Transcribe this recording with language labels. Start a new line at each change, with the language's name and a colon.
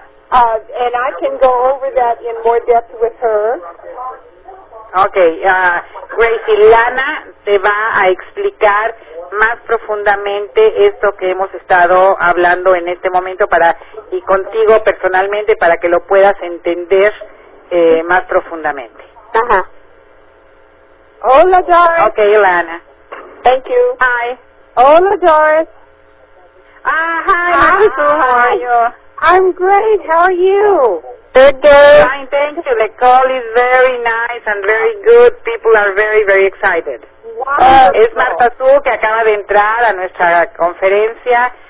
English: And I can go over that in more depth with her.
Spanish: Okay, Gracie, Lana te va a explicar más profundamente esto que hemos estado hablando en este momento para y contigo personalmente para que lo puedas entender más profundamente. Ajá. Hola, Doris.
English: Okay, Lana. Thank you. Hi.
Spanish: Hola, Doris.
English: Hi. How are you? I'm great. How are you? Good day. Fine, thank you. The call is very nice and very good. People are very, very excited. Wow.
Spanish: Es Marta Su que acaba de entrar a nuestra conferencia.